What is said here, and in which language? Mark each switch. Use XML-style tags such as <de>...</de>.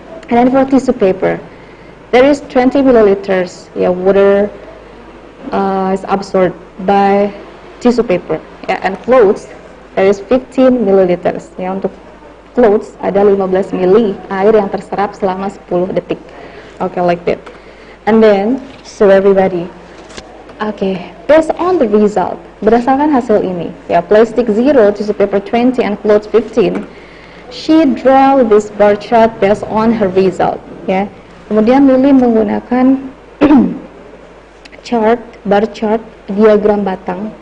<en>And then for tissue paper, there is 20 milliliters, yeah, water is absorbed by tissue paper. Yeah, and clothes, there is 15 milliliters.</en> <id>Yeah, untuk clothes, ada 15 mili air yang terserap selama 10 detik.</id> <en>Okay, like that. And then, so everybody. Okay, based on the result,</en> <id>berdasarkan hasil ini,</id> <en>yeah, plastic 0, tissue paper 20, and clothes 15, she draw this bar chart based on her result.</en> <id>Yeah. Kemudian Lily menggunakan chart, bar chart, diagram batang.</id>